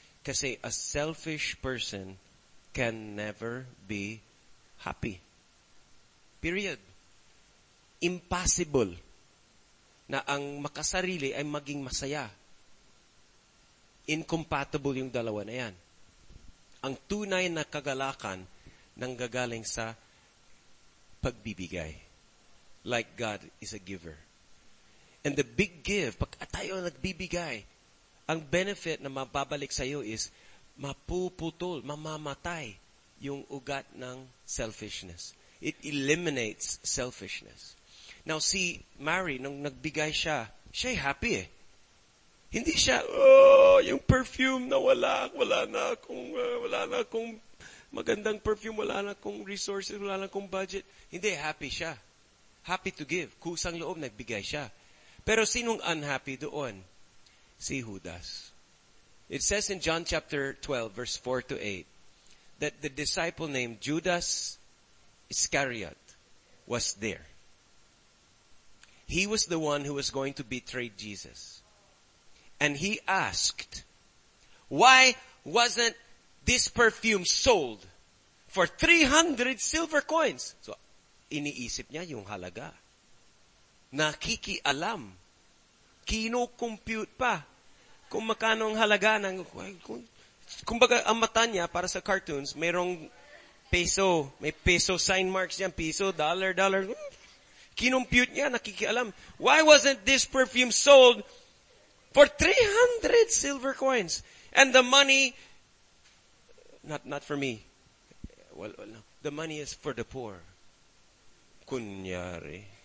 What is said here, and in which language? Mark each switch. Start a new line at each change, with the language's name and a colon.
Filipino: Kasi
English: a selfish person can never be happy. Period.
Filipino: Impossible na ang makasarili ay maging masaya. Incompatible yung dalawa na yan. Ang tunay na kagalakan nanggagaling sa pagbibigay.
English: Like God is a giver.
Filipino: And the big give, pag tayo nagbibigay, ang benefit na mababalik sa iyo is mapuputol, mamamatay yung ugat ng selfishness.
English: It eliminates selfishness.
Filipino: Now si Mary, nung nagbigay siya, siya'y happy eh. Hindi siya, yung perfume na wala na akong magandang perfume, wala na akong resources, wala na akong budget. Hindi, happy siya. Happy to give. Kusang loob, nagbigay siya. Pero sinong unhappy doon? Si Judas.
English: It says in John chapter 12, verse 4 to 8, that the disciple named Judas Iscariot was there. He was the one who was going to betray Jesus. And he asked, why wasn't this perfume sold for 300 silver coins?
Filipino: So, iniisip niya yung halaga. Nakikialam. Kino-compute pa kung makano ang halaga. Kumbaga, ang mata niya para sa cartoons, mayroong peso. May peso sign marks niya. Peso, dollar. Kino-compute niya, nakikialam.
English: Why wasn't this perfume sold for 300 silver coins? And the money, not for me. Well, no. The money is for the poor.
Filipino: Kunyari.